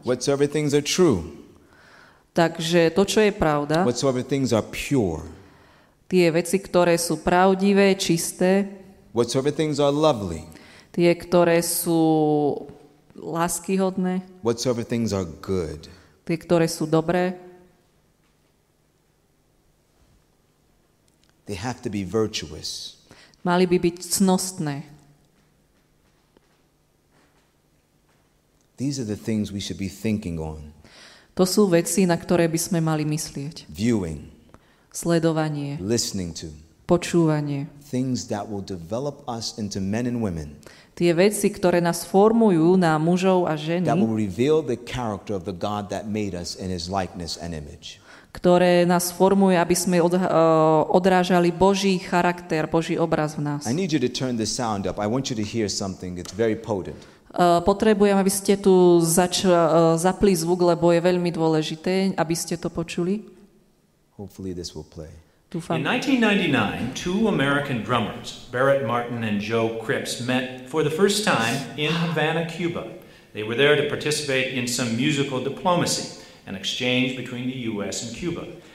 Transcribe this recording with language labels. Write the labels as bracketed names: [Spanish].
[English] Whatsoever things are true. [Slovak] Takže to, čo je pravda. [English] Whatsoever things are pure. [Slovak] Tie veci, ktoré sú pravdivé, čisté. [English] Whatsoever things are lovely. [Slovak] Tie, ktoré sú láskyhodné. [English] Whatsoever things are good. [Slovak] Tie, ktoré sú dobré. [English] They have to be virtuous. [Slovak] Mali by byť cnostné. [English] These are the things we should be thinking on. [Slovak] To sú veci, na ktoré by sme mali myslieť. [English] Viewing. [Slovak] Sledovanie. [English] Listening to. [Slovak] Počúvanie. [English] Things that will develop us into men and women. [Slovak] Tie veci, ktoré nás formujú na mužov a ženy. [English] That will reveal the character of the God that made us in his likeness and image. [Slovak] Ktoré nás formujú, aby sme odrážali Boží charakter, Boží obraz v nás. [English] I need you to turn the sound up. I want you to hear something. It's very potent. [Slovak] Potrebujem, aby ste tu zapli zvuk, lebo je veľmi dôležité, aby ste to počuli. [English] Hopefully this will play. [Slovak] Dúfam. [English] In 1999, two American drummers, Barrett Martin and Joe Cripps, met for the first time in Havana, Cuba. They were there to participate in some musical diplomacy, an exchange between the U.S. and Cuba.